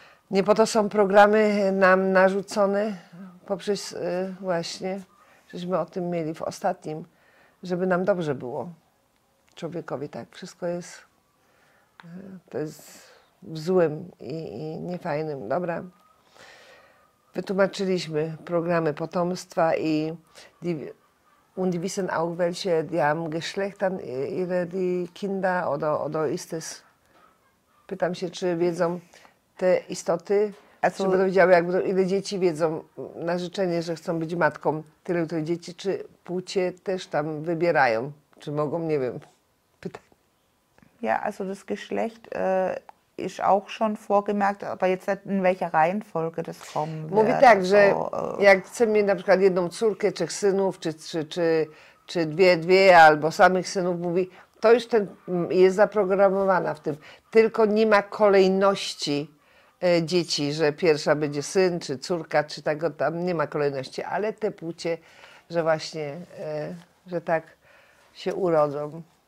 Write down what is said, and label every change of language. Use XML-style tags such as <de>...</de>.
<pl>Nie po to są programy nam narzucone, poprzez właśnie, żeśmy o tym mieli w ostatnim, żeby nam dobrze było, człowiekowi, tak. Wszystko jest, to jest w złym i niefajnym, dobra. Wytłumaczyliśmy programy potomstwa i</pl> <de>und die wissen auch, welche die haben Geschlechtern, ile die Kinder oder ist es.</de> <pl>Pytam się, czy wiedzą te istoty, a co będą wiedziały, ile dzieci wiedzą na życzenie, że chcą być matką, tyle tych dzieci, czy płcie też tam wybierają, czy mogą, nie wiem. Pytam.</pl> <de>Ja, also das Geschlecht ist auch schon vorgemerkt, aber jetzt in welcher Reihenfolge das kommen wird.</de> <pl>Mówi tak, że jak chcę mieć na przykład jedną córkę, czy synów, czy dwie, albo samych synów, mówi, to już ten jest zaprogramowana w tym. Tylko nie ma kolejności dzieci, że pierwsza będzie syn, czy córka, czy tego tam, nie ma kolejności, ale te płcie, że właśnie, że tak się urodzą.</pl>